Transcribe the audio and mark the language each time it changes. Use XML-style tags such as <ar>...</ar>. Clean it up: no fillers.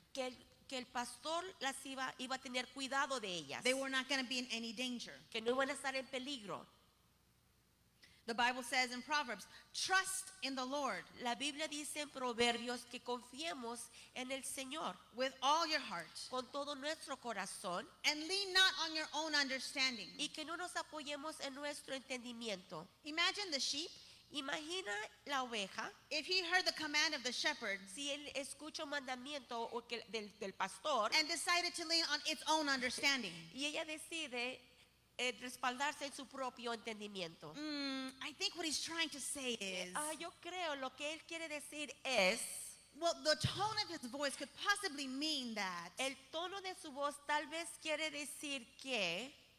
<es>Que el pastor las iba a tener cuidado de ellas.</es> <en>They were not going to be in any danger.</en> <es>Que no iban a estar en peligro.</es> <en>The Bible says in Proverbs, trust in the Lord.</en> <es>La Biblia dice en Proverbios que confiemos en el Señor.</es> <en>With all your heart.</en> <es>Con todo nuestro corazón.</es> <en>And lean not on your own understanding.</en> <es>Y que no nos apoyemos en nuestro entendimiento.</es> <en>Imagine the sheep.</en> <es>Imagina la oveja.</es> <en>If he heard the command of the shepherd.</en> <es>Si él escucha un mandamiento del pastor.</es> <en>And decided to lean on its own understanding.</en> <es>Y ella decide respaldarse en su propio entendimiento.</es> <en>I think what he's trying to say is,</en> <es>yo creo lo que él quiere decir es,</es> <en>Well, the tone of his voice could possibly mean that.</en> <es>El tono de su voz tal vez quiere decir que.</es>